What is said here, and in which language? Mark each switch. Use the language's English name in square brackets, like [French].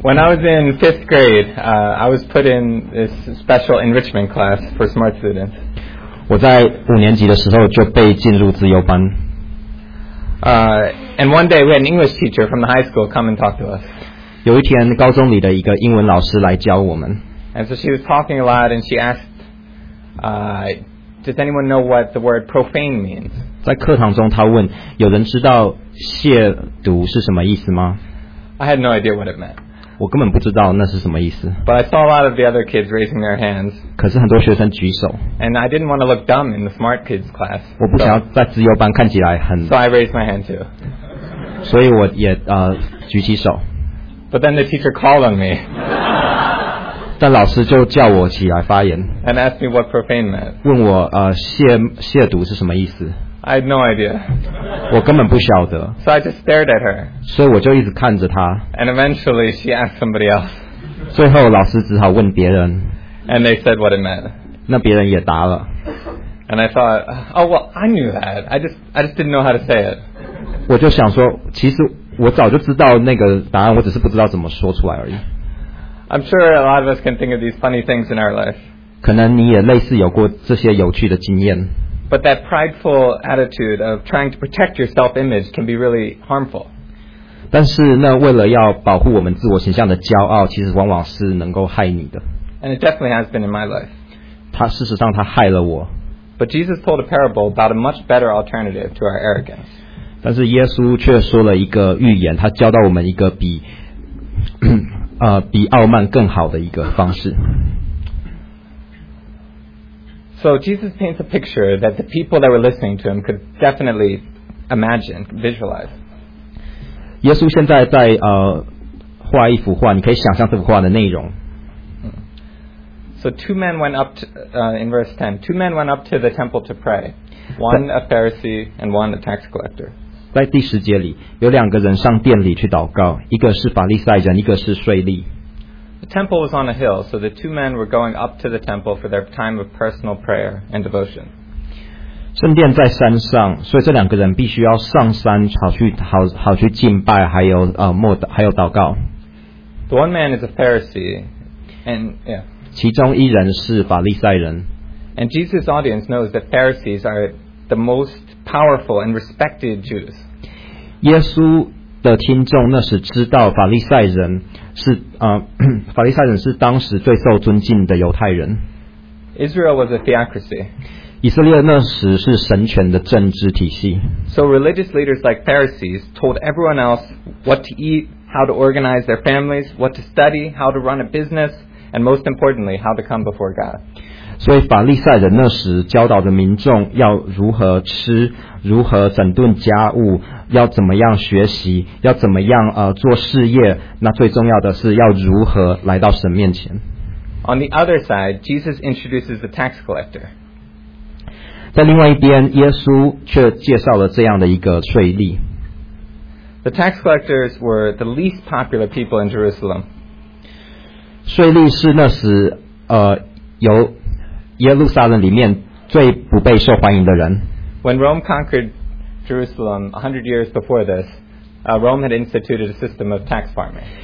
[English] When I was in fifth grade, I was put in this special enrichment class for smart students. [Chinese] 我在五年级的时候就被进入自由班。 [English] And one day we had an English teacher from the high school come and talk to us. [Chinese] 有一天高中里的一个英文老师来教我们。 [English] And so she was talking a lot and she asked, does anyone know what the word profane means? [Chinese] 在课堂中她问有人知道亵渎是什么意思吗？ [English] I had no idea what it meant. [Chinese] 我根本不知道那是什么意思。 [English] But I saw a lot of the other kids raising their hands. [Chinese] 可是很多学生举手。 [English] And I didn't want to look dumb in the smart kids class. [Chinese] 我不想要在自由班看起来很。 [English] So I raised my hand too. [Chinese] 所以我也举起手。 [English] But then the teacher called on me. [Chinese] 但老师就叫我起来发言。 [English] And asked me what profane meant. [Chinese] 问我亵渎是什么意思。 [English] I had no idea. [Chinese] 我根本不晓得。 [English] So I just stared at her. [Chinese] 所以我就一直看着她。 [English] And eventually she asked somebody else. [Chinese] 最后老师只好问别人。 [English] And they said what it meant. [Chinese] 那别人也答了。 [English] And I thought, oh well, I knew that. I just didn't know how to say it. [Chinese] 我就想说，其实我早就知道那个答案，我只是不知道怎么说出来而已。 [English] I'm sure a lot of us can think of these funny things in our life. [Chinese] 可能你也类似有过这些有趣的经验。 [English] But that prideful attitude of trying to protect your self-image can be really harmful. [Chinese] 但是那为了要保护我们自我形象的骄傲，其实往往是能够害你的。 [English] And it definitely has been in my life. [Chinese] 它事实上它害了我。 [English] But Jesus told a parable about a much better alternative to our arrogance. [Chinese] 但是耶稣却说了一个预言，他教导我们一个比比傲慢更好的一个方式。 [English] So Jesus paints a picture that the people that were listening to him could definitely imagine, visualize. [Chinese] 耶稣现在在画一幅画，你可以想象这幅画的内容。 [English] So two men went up to, in verse 10. Two men went up to the temple to pray. One a Pharisee and one a tax collector. [Chinese] 在第十节里，有两个人上殿里去祷告，一个是法利赛人，一个是税吏。 [English] The temple was on a hill, so the two men were going up to the temple for their time of personal prayer and devotion. [Chinese] 圣殿在山上，所以这两个人必须要上山，好去敬拜，还有祷告。 [English] The one man is a Pharisee, and yeah. [Chinese] 其中一人是法利赛人。 [English] And Jesus' audience knows that Pharisees are the most powerful and respected Jews. [Chinese] 耶稣的听众那时知道法利赛人是法利赛人是当时最受尊敬的犹太人。 [English] Israel was a theocracy. [Chinese] 以色列那时是神权的政治体系。 [English] So religious leaders like Pharisees told everyone else what to eat, how to organize their families, what to study, how to run a business, and most importantly, how to come before God. [Chinese] 所以法利赛人那时教导着民众要如何吃，如何整顿家务。要怎么样学习，要怎么样做事业，那最重要的是要如何来到神面前。 [English] On the other side, Jesus introduces the tax collector. [Chinese] 在另外一边，耶稣却介绍了这样的一个税吏。 [English] The tax collectors were the least popular people in Jerusalem. [Chinese] 税吏是那时由耶路撒冷里面最不被受欢迎的人。 [English] When Rome conquered Jerusalem 100 years before this, Rome had instituted a system of tax farming.